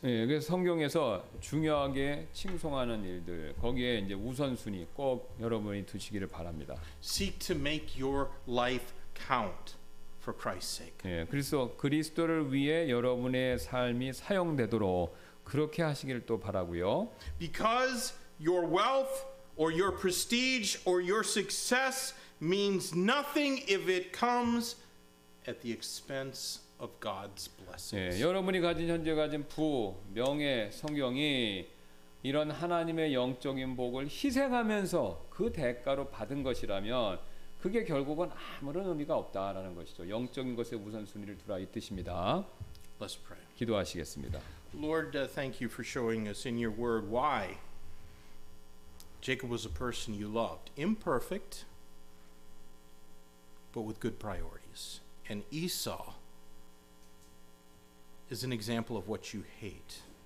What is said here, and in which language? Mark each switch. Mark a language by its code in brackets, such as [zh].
[ko] 예, 그래서 성경에서 중요하게 칭송하는 일들 거기에 이제 우선순위 꼭 여러분이 두시기를 바랍니다. [en] Seek to make your life count for Christ's sake. [ko] 예, 그래서 그리스도를 위해 여러분의 삶이 사용되도록 그렇게 하시기를 또 바라고요. [en] Because your wealth or your prestige or your success means nothing if it comes at the expense of God's blessings. [ko] 예, 여러분이 가진 현재 가진 부, 명예, 성경이 이런 하나님의 영적인 복을 희생하면서 그 대가로 받은 것이라면 그게 결국은 아무런 의미가 없다라는 것이죠. 영적인 것에 우선순위를 두라 이 뜻입니다. [en] Let's pray. [ko] 기도하시겠습니다. [en] Lord, thank you for showing us in your word why Jacob was a person you loved, imperfect but with good priorities. And Esau is an example of what you hate.